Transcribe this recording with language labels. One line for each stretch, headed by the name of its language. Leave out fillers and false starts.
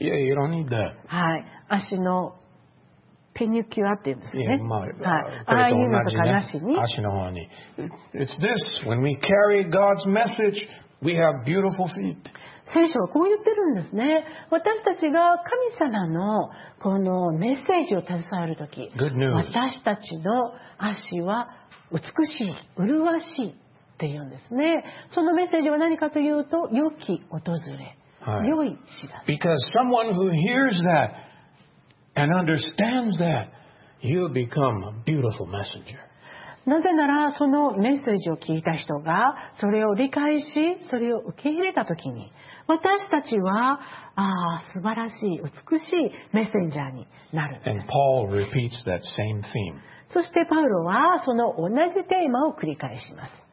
English: Yeah, you don't need that.
Japanese: はい、足のペニキュアって言うんですね。 Yeah, まあ、はい、ね、ああいうのとかなしに。足の方に。
English: It's this. When we carry God's message, we have beautiful feet.
Japanese: 聖書はこう言ってるんですね。私たちが神様のこのメッセージを携えるとき、
English: Good news.
Japanese: 私たちの足は美しい、麗しいって言うんですね。そのメッセージは何かというと、良き訪れ、良い知らせ。
English: Because someone who hears that. And understands that you become a beautiful messenger.
Japanese: なぜならそのメッセージを聞いた人がそれを理解し、それを受け入れたときに、私たちは素晴らしい、美しいメッセンジャーになる。
English: And Paul repeats that same theme.
Japanese: そしてパウロはその同じテーマを繰り返します。